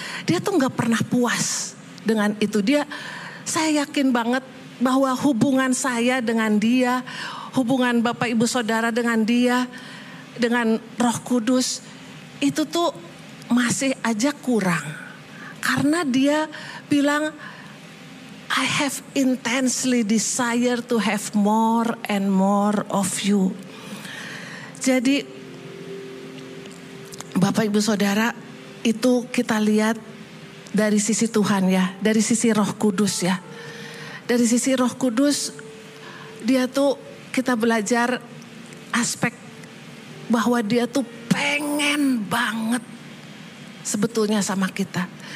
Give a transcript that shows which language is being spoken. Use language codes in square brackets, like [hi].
[id] Dia tuh gak pernah puas dengan itu. Dia, saya yakin banget bahwa hubungan saya dengan dia, hubungan Bapak Ibu Saudara dengan dia, dengan Roh Kudus, itu tuh masih aja kurang. Karena dia bilang, [en] I have intensely desire to have more and more of you. [id] Jadi Bapak Ibu Saudara, itu kita lihat dari sisi Tuhan ya, dari sisi Roh Kudus ya. Dari sisi Roh Kudus, dia tuh kita belajar aspek bahwa dia tuh pengen banget sebetulnya sama kita.